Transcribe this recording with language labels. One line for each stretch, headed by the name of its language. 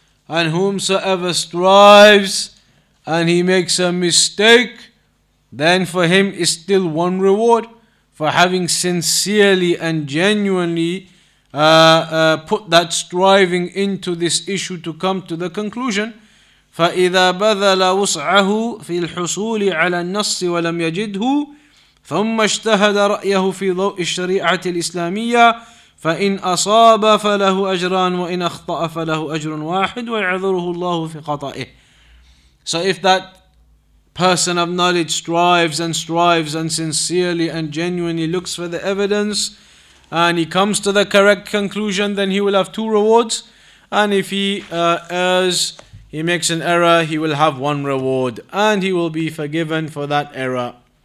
English: And whomsoever strives and he makes a mistake, then for him is still one reward for having sincerely and genuinely put that striving into this issue to come to the conclusion.
Arabic: فَإِذَا بَذَلَ وُسْعَهُ فِي الْحُصُولِ عَلَى النَّصِّ وَلَمْ يَجِدْهُ ثم اجتهد رأيه في ضوء الشريعة الإسلامية فإن أصاب فله أجران وإن أخطأ فله أجر واحد ويعذره الله في خطأه.
English: So if that person of knowledge strives and strives and sincerely and genuinely looks for the evidence and he comes to the correct conclusion, then he will have two rewards. And if he errs, he makes an error, he will have one reward and he will be forgiven for that error.